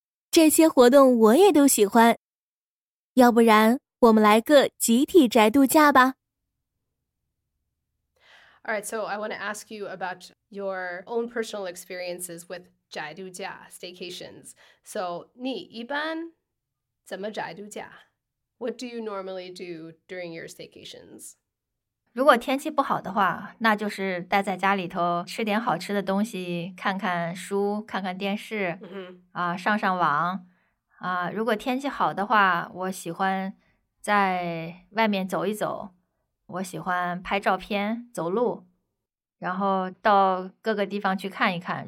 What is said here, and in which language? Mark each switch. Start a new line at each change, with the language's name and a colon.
Chinese: 这些活动我也都喜欢，要不然我们来个集体宅度假吧。
English: All right, so I want to ask you about your own personal experiences with 宅度假 staycations.
Chinese: So, 你一般怎么宅度假?
English: What do you normally do during your staycations?
Chinese: 如果天气不好的话，那就是待在家里头吃点好吃的东西，看看书，看看电视，啊，上上网。啊，如果天气好的话，我喜欢在外面走一走。我喜欢拍照片走路，然后到各个地方去看一看。